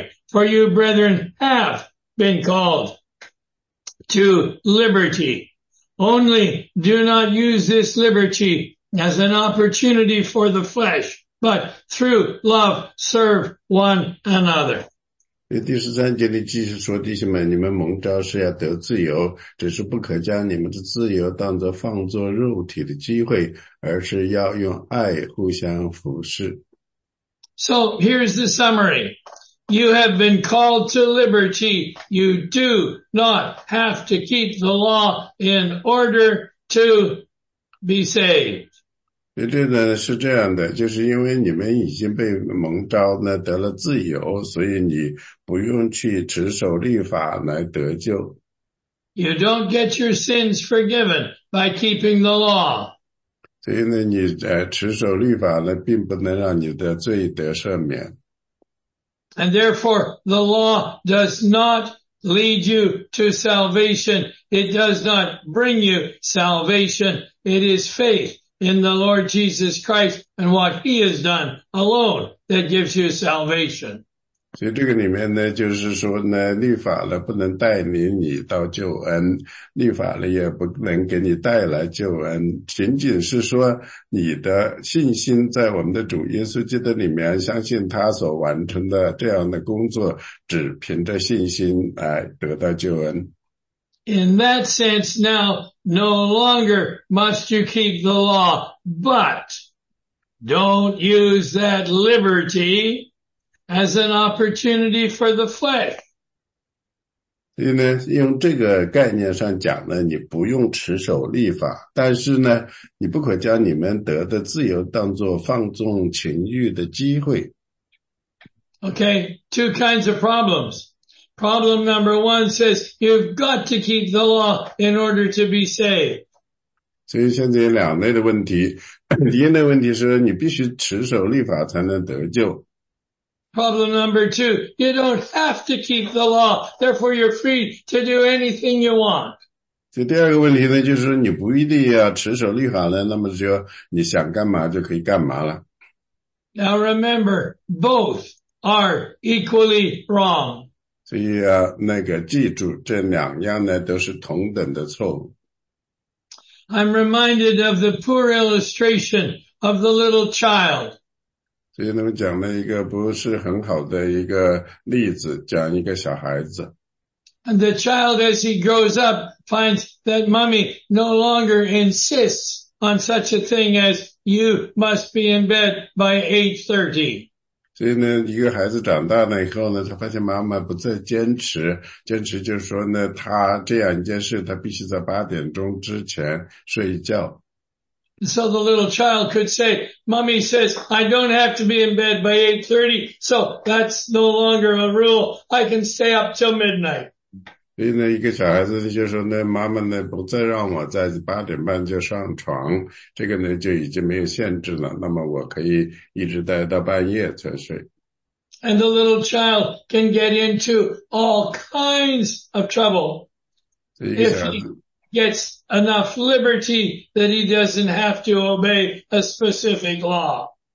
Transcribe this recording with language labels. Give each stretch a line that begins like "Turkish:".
English: For you brethren have been called to liberty. Only do not use this liberty as an opportunity for the flesh, but through love serve one another.
Chinese: 第十三节里继续说，弟兄们，你们蒙召是要得自由，只是不可将你们的自由当作放作肉体的机会，而是要用爱互相服侍。
English: So here's the summary. You have been called to liberty. You do not have to keep the law in order to be saved.
Chinese: 这呢是这样的，就是因为你们已经被蒙召呢得了自由，所以你不用去持守律法来得救。
English: You don't get your sins forgiven by keeping the law.
Chinese: 所以呢，你持守律法呢，并不能让你的罪得赦免。
English: And therefore, the law does not lead you to salvation. It does not bring you salvation. It is faith. In the Lord Jesus Christ and what he has done alone that gives you salvation.
Chinese: 所以这个里面呢就是说呢律法呢不能带领你到救恩，律法呢也不能给你带来救恩，仅仅是说你的信心在我们的主耶稣基督里面，相信他所完成的这样的工作，只凭着信心来得到救恩。
English: In that sense, now, no longer must you keep the law, but don't use that liberty as an opportunity for the flesh.
Chinese: 所以呢，用这个概念上讲呢，你不用持守律法，但是呢，你不可将你们得的自由当作放纵情欲的机会。
English: Okay, two kinds of problems. Problem number one says, you've got to keep the law in order to be saved.
Chinese: 所以现在有两类的问题。第一类问题是你必须持守律法才能得救。
English: Problem number two, you don't have to keep the law, therefore you're free to do anything you want.
Chinese: 所以第二个问题呢就是你不一定要持守律法了，那么就你想干嘛就可以干嘛了。
English: Now remember, both are equally wrong.
Chinese: 所以啊，那个记住，这两样呢都是同等的错误。
English: I'm reminded of the poor illustration of the little child.
Chinese: 所以他们讲了一个不是很好的一个例子，讲一个小孩子。
English: And the child, as he grows up, finds that mommy no longer insists on such a thing as you must be in bed by 8:30.
Chinese: 所以呢，一个孩子长大了以后呢，他发现妈妈不再坚持，坚持就是说呢，他这样一件事，他必须在八点钟之前睡觉。
English: So the little child could say, Mommy says, I don't have to be in bed by 8:30, so that's no longer a rule. I can stay up till midnight.
Chinese: 所以呢，一个小孩子就说呢，妈妈呢不再让我在八点半就上床，这个呢就已经没有限制了，那么我可以一直待到半夜才睡。
English: And the little child can get into all kinds of trouble.
Chinese: 所以一个小孩子。
English: Gets enough liberty that he doesn't have to obey a specific law.